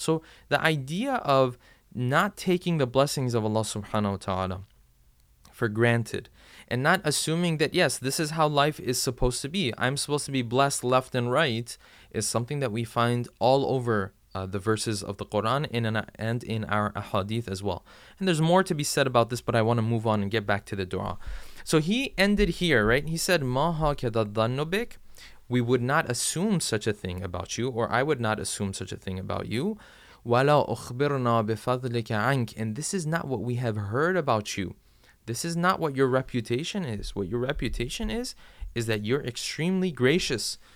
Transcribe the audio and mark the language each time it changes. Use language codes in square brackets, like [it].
[en] So the idea of not taking the blessings of Allah subhanahu wa ta'ala for granted and not assuming that, yes, this is how life is supposed to be, I'm supposed to be blessed left and right, is something that we find all over the verses of the Quran and in our ahadith as well. And there's more to be said about this, but I want to move on and get back to the dua. So he ended here, right? He said, [ar] مَا هَكَدَ ظَنُّ بِكَ. [en] We would not assume such a thing about you, or I would not assume such a thing about you. [ar] وَلَا أُخْبِرْنَا بِفَضْلِكَ عَنْكَ. [en] And this is not what we have heard about you. This is not what your reputation is. What your reputation is that you're extremely gracious.